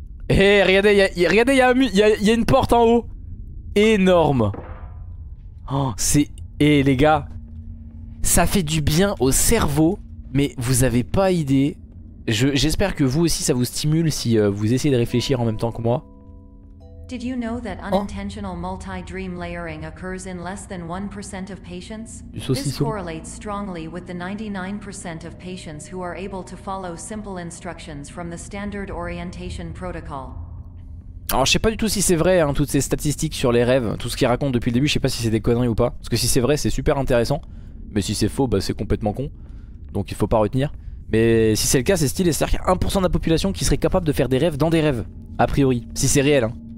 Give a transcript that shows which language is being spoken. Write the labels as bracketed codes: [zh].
[fr] Et regardez, il y a une porte en haut. Énorme. Oh, c'est. Et les gars, ça fait du bien au cerveau, mais vous avez pas idée. J'espère que vous aussi, ça vous stimule si vous essayez de réfléchir en même temps que moi. [en] Did you know that unintentional multi-dream layering occurs in less than 1% of patients? This correlates strongly with the 99% of patients who are able to follow simple instructions from the standard orientation protocol. [fr] Alors je sais pas du tout si c'est vrai hein, toutes ces statistiques sur les rêves, tout ce qu'ils racontent depuis le début, je sais pas si c'est des conneries ou pas. Parce que si c'est vrai, c'est super intéressant. Mais si c'est faux, bah c'est complètement con. Donc il faut pas retenir. Mais si c'est le cas, c'est stylé. C'est-à-dire qu'il y a 1% de la population qui serait capable de faire des rêves dans des rêves. A priori, si c'est réel hein.